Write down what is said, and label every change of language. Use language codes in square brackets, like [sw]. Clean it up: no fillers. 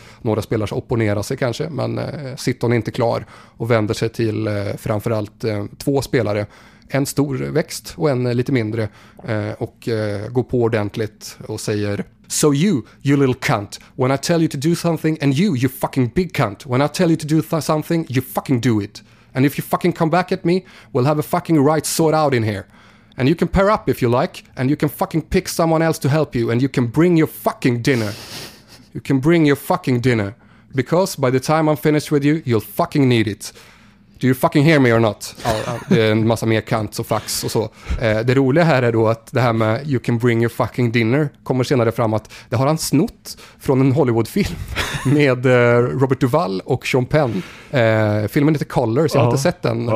[sv] Några spelare opponerar sig kanske, men Sitton är inte klar och vänder sig till framförallt två spelare. En stor växt och en lite mindre och går på ordentligt och säger: [en] "So you, you little cunt, when I tell you to do something, and you, you fucking big cunt, when I tell you to do something, you fucking do it. And if you fucking come back at me, we'll have a fucking right sort out in here. And you can pair up if you like, and you can fucking pick someone else to help you, and you can bring your fucking dinner. You can bring your fucking dinner. Because by the time I'm finished with you, you'll fucking need it. Do you fucking hear me or not?" [sv] Det är en massa mer cunts och fucks och så. Det roliga här är då att det här med [en] "you can bring your fucking dinner" [sv] kommer senare fram att det har han snott från en Hollywoodfilm med Robert Duvall och Sean Penn. Filmen heter Colors, jag har inte sett den.